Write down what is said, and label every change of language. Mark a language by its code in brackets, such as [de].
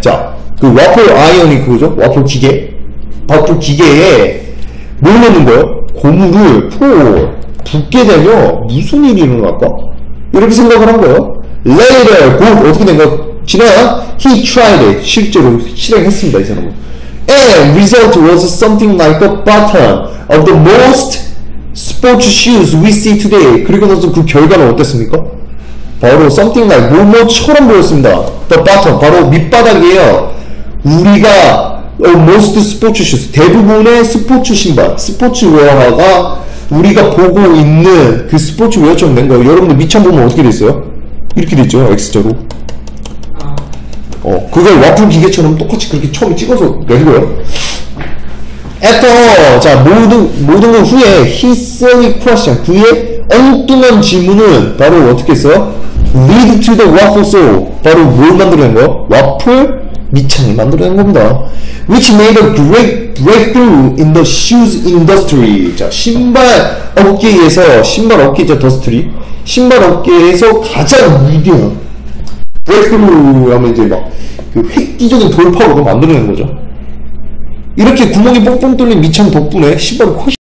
[ko] 자, 그 waffle iron이 그거죠? waffle 기계에 뭘 넣는 거예요? 고무를 풀 붓게 되면 무슨 일이 일어날까? 이렇게 생각을 한 거예요. [en] Later, [ko] 곧 어떻게 된 거 지나? [en] He tried it. [ko] 실제로 실행했습니다, 이 사람은. [en] And result was something like the bottom of the most sports shoes we see today. [ko] 그리고 나서 그 결과는 어땠습니까? 바로 [en] something like [ko] 뭐뭐처럼 보였습니다. [en] The bottom, [ko] 바로 밑바닥이에요. 우리가 most sports shoes, 대부분의 스포츠 신발, 스포츠 웨어가 우리가 보고 있는 그 스포츠 웨어처럼 된 거예요. 여러분들 밑창 보면 어떻게 됐어요? 이렇게 됐죠, X자로. 그걸 와플 기계처럼 똑같이 그렇게 처음에 찍어서 내리고요. [en] After all, [ko] 자, 모든 것 후에 [en] his silly question, [ko] 그의 엉뚱한 질문은 바로 어떻게 했어요? [en] Lead to the waffle soul. [ko] 바로 뭘 만들어낸 거예요? 와플 밑창이 만들어낸 겁니다. [en] Which made a great breakthrough in the shoes industry. [ko] 자, 신발 업계에서, 신발 업계 더스트리. 신발 업계에서 가장 위대한 브레이크루 하면 이제 막 그 획기적인 돌파로도 만들어낸 거죠. 이렇게 구멍이 뻥뻥 뚫린 밑창 덕분에 신발을 훨씬